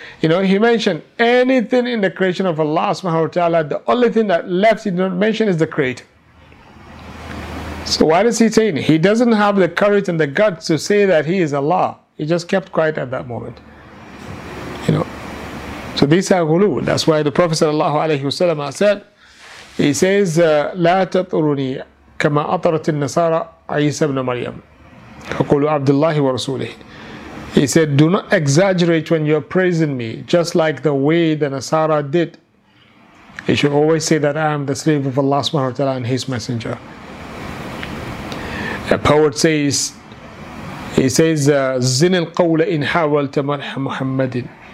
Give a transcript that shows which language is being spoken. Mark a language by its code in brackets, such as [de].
[en] You know, he mentioned anything in the creation of Allah subhanahu wa ta'ala. The only thing that left he did not mention is the creator. So what is he saying? He doesn't have the courage and the guts to say that he is Allah. He just kept quiet at that moment. You know. So these are ghulu. That's why the Prophet sallallahu alayhi wa sallam said, he says, [ar] لَا تَطْرُنِي كَمَا أَطَرَتِ النَّصَارَ عَيْسَى بْنَ مَرْيَمَ فَقُولُ عَبْدِ اللَّهِ وَرَسُولِهِ. [en] He said, do not exaggerate when you're praising me, just like the way the Nasara did. He should always say that I am the slave of Allah subhanahu wa ta'ala and his messenger. A poet says, he says, [ar] "Zin al-qawla in hawalta marham Muhammadin,